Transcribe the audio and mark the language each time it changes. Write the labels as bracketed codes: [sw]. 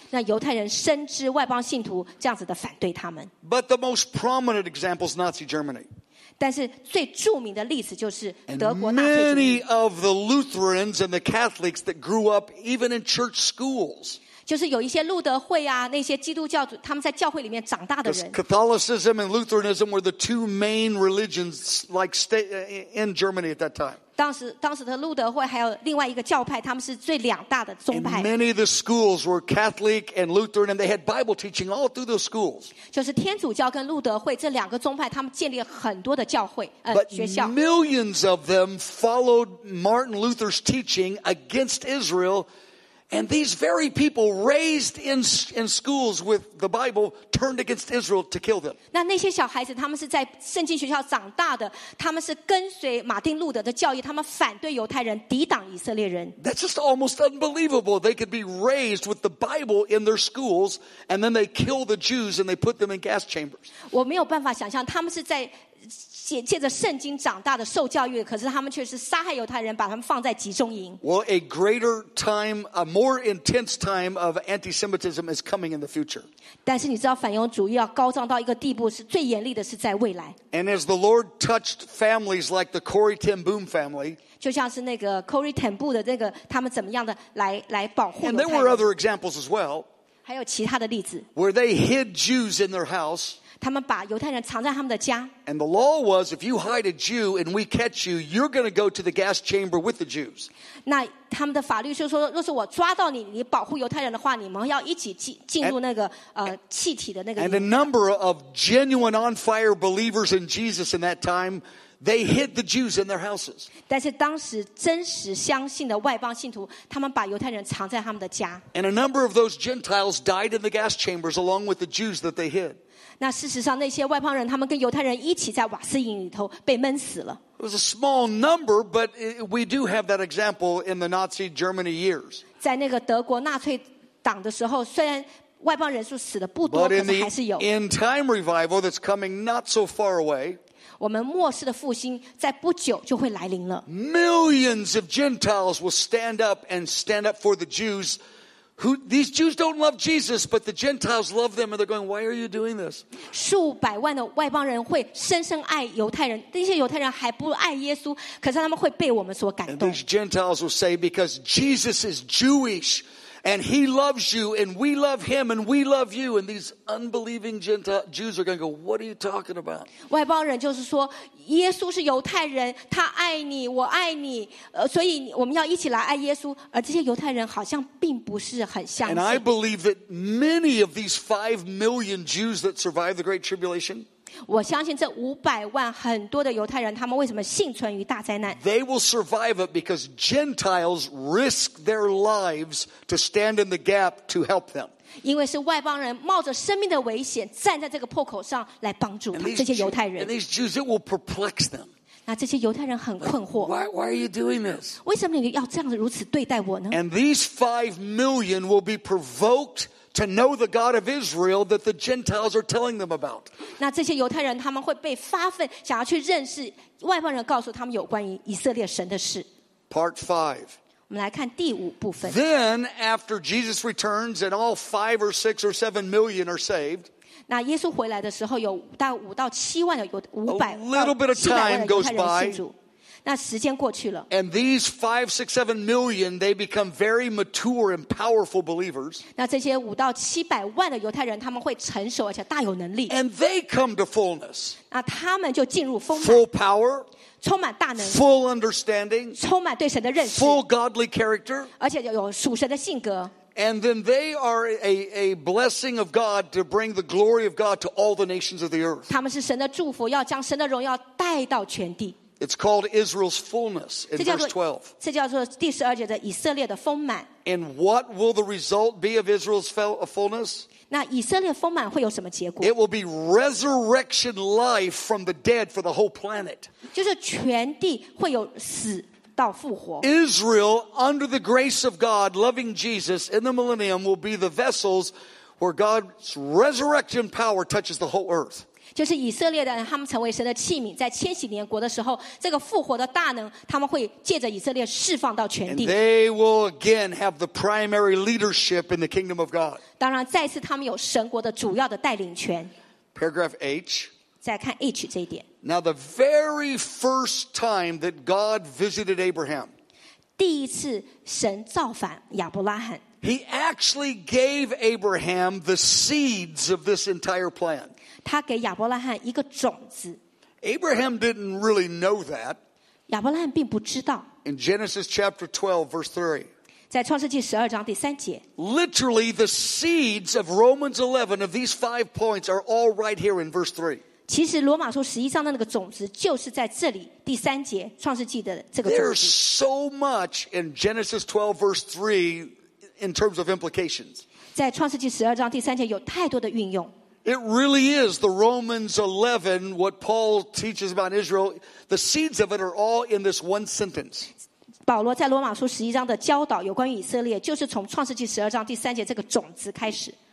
[zh] 那犹太人深知外邦信徒这样子的反对他们。 [en] But the most prominent example is Nazi Germany. [zh] 但是最著名的例子就是德国纳粹主义。 [en] Many of the Lutherans and the Catholics that grew up even in church schools. [zh] 就是有一些路德会啊，那些基督教主，他们在教会里面长大的人。 [en] Catholicism and Lutheranism were the two main religions, like in Germany at that time. [zh] 当时的路德会还有另外一个教派，他们是最两大的宗派。 [en] And many of the schools were Catholic and Lutheran, and they had Bible teaching all through those schools. [zh] 就是天主教跟路德会这两个宗派，他们建立了很多的教会，学校。 [en] But millions of them followed Martin Luther's teaching against Israel. And these very people raised in schools with the Bible turned against Israel to kill them. [zh] 那些小孩子他们是在圣经学校长大的，他们是跟随马丁路德的教义，他们反对犹太人，抵挡以色列人。 [en] That's just almost unbelievable. They could be raised with the Bible in their schools, and then they kill the Jews and they put them in gas chambers. [zh] 我没有办法想象他们是在借着圣经长大的受教育，可是他们却是杀害犹太人，把他们放在集中营。 [en] Well, a greater time, a more intense time of anti-Semitism is coming in the future. [zh] 但是你知道反犹主义要高涨到一个地步，是最严厉的是在未来。 [en] And as the Lord touched families like the Corrie Ten Boom family, [zh] 就像是那个 Corrie Ten Boom 的那个他们怎么样的来保护犹太人。 [en] And there were other examples as well. [zh] 还有其他的例子。 [en] Where they hid Jews in their house. [zh] 他们把犹太人藏在他们的家。 [en] And the law was, if you hide a Jew and we catch you, you're going to go to the gas chamber with the Jews. [zh] 那他们的法律就说，若是我抓到你，你保护犹太人的话，你们要一起进入那个气体的那个。 [en] And a number of genuine on fire believers in Jesus in that time, they hid the Jews in their houses. [zh] 但是当时真实相信的外邦信徒，他们把犹太人藏在他们的家。 [en] And a number of those Gentiles died in the gas chambers along with the Jews that they hid. [zh] 那事实上，那些外邦人他们跟犹太人一起在瓦斯营里头被闷死了。 [en] It was a small number, but we do have that example in the Nazi Germany years. [zh] 在那个德国纳粹党的时候，虽然外邦人数死的不多，可是还是有。 [en] But in time revival that's coming not so far away, [zh] 我们末世的复兴在不久就会来临了。 [en] Millions of Gentiles will stand up and stand up for the Jews. Who, these Jews don't love Jesus, but the Gentiles love them, and they're going, why are you doing this? [zh] 数百万的外邦人会深深爱犹太人，那些犹太人还不爱耶稣，可是他们会被我们所感动。 [en] And these Gentiles will say, because Jesus is Jewish, and he loves you, and we love him, and we love you. And these unbelieving Jews are going to go, what are you talking about? [zh] 外邦人就是说，耶稣是犹太人，他爱你，我爱你，所以我们要一起来爱耶稣。而这些犹太人好像并不是很相信。 [en] And I believe that many of these 5 million Jews that survived the Great Tribulation, [zh] 我相信这五百万很多的犹太人，他们为什么幸存于大灾难？ [en] They will survive it because Gentiles risk their lives to stand in the gap to help them. [zh] 因为是外邦人冒着生命的危险站在这个破口上来帮助他这些犹太人。 [en] And these Jews, it will perplex them. [zh] 那这些犹太人很困惑。 [en] Why are you doing this? [zh] 为什么你要这样子如此对待我呢？ [en] And these 5 million will be provoked to know the God of Israel that the Gentiles are telling them about. [zh] 那这些犹太人他们会被发愤，想要去认识外邦人告诉他们有关于以色列神的事。 [en] Part 5. [zh] 我们来看第五部分。 [en] Then after Jesus returns and all 5 or 6 or 7 million are saved, [zh] 那耶稣回来的时候，有大概5到7万的犹五百 [en] ，a little bit of time goes by. [zh] 那时间过去了。 [en] And these 5, 6, 7 million, they become very mature and powerful believers. [zh] 那这些五到七百万的犹太人，他们会成熟而且大有能力。 [en] And they come to fullness. [zh] 那他们就进入丰满。 [en] Full power. [zh] 充满大能 [en] full understanding, [zh] 充满对神的认识 [en] full godly character, [zh] 而且有属神的性格 [en] and then they are a blessing of God to bring the glory of God to all the nations of the earth. [zh] 他们是神的祝福要将神的荣耀带到全地 [en] It's called Israel's fullness in verse 12. And what will the result be of Israel's fullness? It will be resurrection life from the dead for the whole planet. Israel, under the grace of God, loving Jesus in the millennium, will be the vessels where God's resurrection power touches the whole earth. [zh] 就是以色列的人，他们成为神的器皿，在千禧年国的时候，这个复活的大能，他们会借着以色列释放到全地。 [en] And they will again have the primary leadership in the kingdom of God. [zh] 当然，再次他们有神国的主要的带领权。 [en] Paragraph H. [zh] 再看 H 这一点。 [en] Now the very first time that God visited Abraham. [zh] 第一次神造访亚伯拉罕。 [en] He actually gave Abraham the seeds of this entire plan. [zh] 他给亚伯拉罕一个种子。 [en] Abraham didn't really know that. [zh] 亚伯拉罕并不知道。 [en] In Genesis chapter 12, verse 3. [zh] 在创世纪十二章第三节。 [en] Literally, the seeds of Romans 11 of these five points are all right here in verse 3. [zh] 其实罗马书十一章的那个种子就是在这里第三节创世纪的这个种子。 [en] There's so much in Genesis 12 verse 3 in terms of implications. [zh] 在创世纪十二章第三节有太多的运用。 [en] It really is the Romans 11, what Paul teaches about Israel, the seeds of it are all in this one sentence. [zh] 保罗在罗马书十一章的教导有关于以色列就是从创世纪十二章第三节这个种子开始。